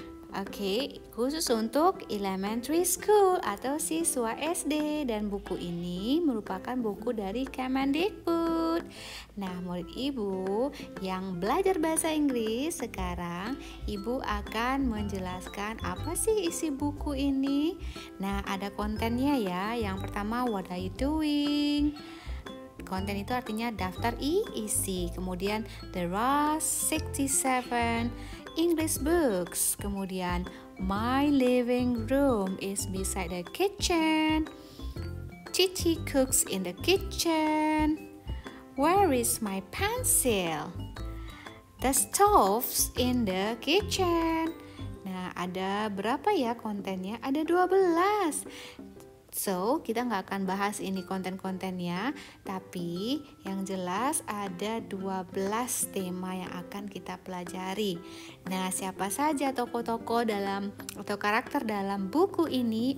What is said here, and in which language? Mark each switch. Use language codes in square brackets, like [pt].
[id] Oke, khusus untuk elementary school atau siswa SD, dan buku ini merupakan buku dari Kemendikbud. Nah, murid ibu yang belajar bahasa Inggris, sekarang ibu akan menjelaskan apa sih isi buku ini. Nah, ada kontennya ya. Yang pertama, [en] what are you doing? [id] Konten itu artinya daftar isi. Kemudian, [en] there are 67 English books. [id] Kemudian, [en] my living room is beside the kitchen. Chichi cooks in the kitchen. Where is my pencil? The stove's in the kitchen. [id] Nah, ada berapa ya kontennya? Ada 12. So, kita nggak akan bahas ini konten-kontennya, tapi yang jelas ada 12 tema yang akan kita pelajari. Nah, siapa saja tokoh-tokoh dalam atau karakter dalam buku ini?